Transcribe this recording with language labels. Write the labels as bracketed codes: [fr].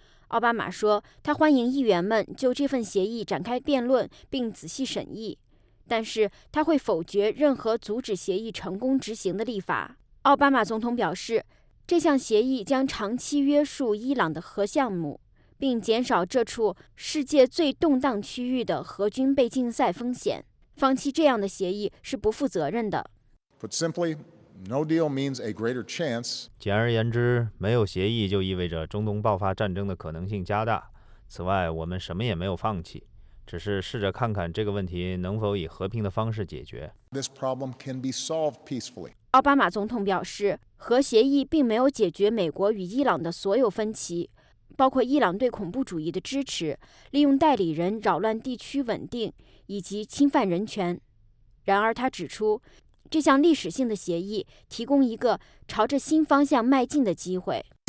[zh] 奥巴马说，他欢迎议员们就这份协议展开辩论并仔细审议，但是他会否决任何阻止协议成功执行的立法。奥巴马总统表示，这项协议将长期约束伊朗的核项目，并减少这处世界最动荡区域的核军备竞赛风险。放弃这样的协议是不负责任的。 [en] Put simply, no deal means a greater chance. [zh] 简而言之，没有协议就意味着中东爆发战争的可能性加大。此外，我们什么也没有放弃，只是试着看看这个问题能否以和平的方式解决。 [en] This problem can be solved peacefully. [zh] 奥巴马总统表示，核协议并没有解决美国与伊朗的所有分歧，包括伊朗对恐怖主义的支持、利用代理人扰乱地区稳定以及侵犯人权。然而他指出，这项历史性的协议提供一个朝着新方向迈进的机会。